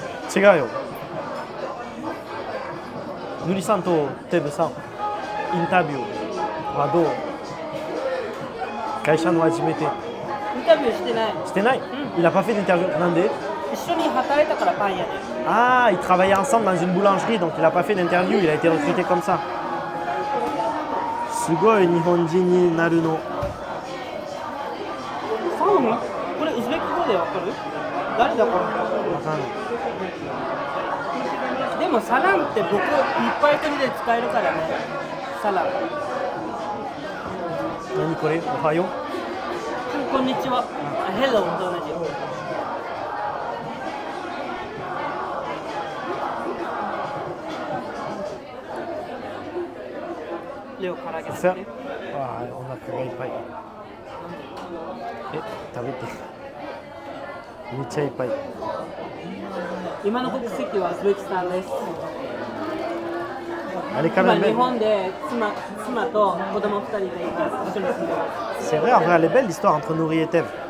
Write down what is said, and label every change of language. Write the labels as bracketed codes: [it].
[ja] 違うよ、ヌリさんとテブさんインタビューはどう。会社の初めて、インタビューしてない。してない、うん、 [fr] il a pas fait d'interview。 [ja] なんで。一緒に働いたからパン屋で。 [fr] ああ、il travaillait ensemble dans une boulangerie donc il a pas fait d'interview、 il a été recruté comme ça。 [ja] すごい日本人になるの。これ、ウズベク語でわかる？誰だこれ？わかんない。でも、サランって僕、いっぱい国で使えるからね。サラン、何これ？おはよう、こんにちは、ヘローと同じ。レオ、唐揚げ食べて。お腹がいっぱい。え、食べて。めっちゃいっぱい。今の国籍はウズベキスタンです。あれから今日本で 妻と子供2人でいます。 [fr] C'est vrai, en vrai, elle est belle l'histoire entre Nouri et Tev.